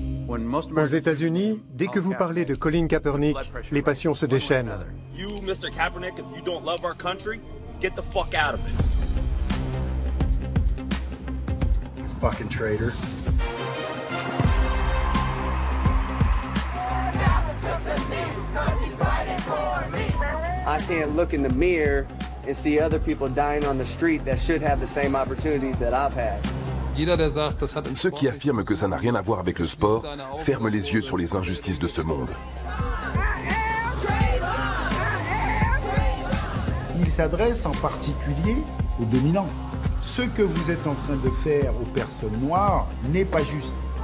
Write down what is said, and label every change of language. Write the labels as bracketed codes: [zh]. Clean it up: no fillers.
[fr] Aux États-Unis, dès que vous parlez de Colin Kaepernick, les passions se déchaînent. [en] You, Mr. Kaepernick, if you don't love our country, get the fuck out of it. Fucking traitor. I can't look in the mirror and see other people dying on the street that should have the same opportunities that I've had. [fr] Ceux qui affirment que ça n'a rien à voir avec le sport ferment les yeux sur les injustices de ce monde. Il s'adresse en particulier aux dominants. Ce que vous êtes en train de faire aux personnes noires n'est pas juste.